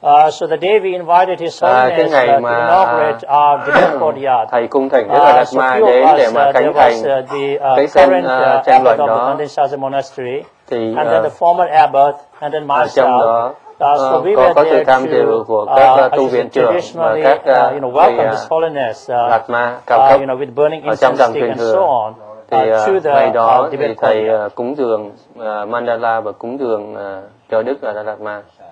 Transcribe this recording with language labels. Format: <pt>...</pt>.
<en>So the day we invited His Holiness to inaugurate our debate courtyard,</en> <vi>thầy cung thỉnh Đức Đạt Ma đến để mà khánh thành cái sân tranh luận đó.</vi> <en>Panchen Shaji Monastery, and then the former abbot, and then myself. So we were there to traditionally, you know, welcome His Holiness, you know, with burning incense stick and so on.</en> <vi>Thì ngày đó thì thầy cúng dường mandala và cúng dường cho Đức Đạt Ma.</vi>